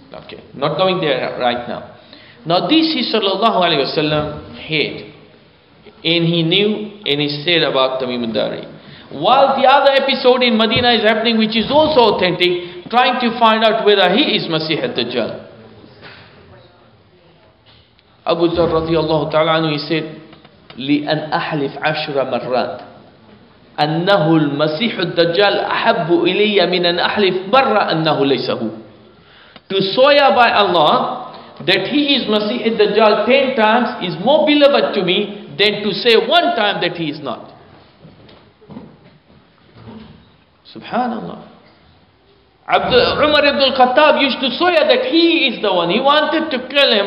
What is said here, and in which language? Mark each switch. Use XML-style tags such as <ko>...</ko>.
<en>Okay, not going there right now. Now this is sallallahu alayhi wa sallam hate. And he knew, and he said about Tamim al-Dari. While the other episode in Medina is happening, which is also authentic, trying to find out whether he is Masih al-Dajjal.</en> <ar>Abu Dharr radiallahu ta'ala anhu, he said, "لِأَنْ أَحْلِفْ عَشْرَ مَرَّاتٍ أَنَّهُ الْمَسِيحُ الدَّجَّالُ أَحَبُّ إِلَيَّ مِنْ أَنْ أَحْلِفْ مَرَّ أَنَّهُ لَيْسَهُ."</ar> <en>To swear by Allah that he is Masih al-Dajjal 10 times is more beloved to me than to say one time that he is not. Subhanallah. Umar ibn al-Khattab used to swear that he is the one. He wanted to kill him.</en>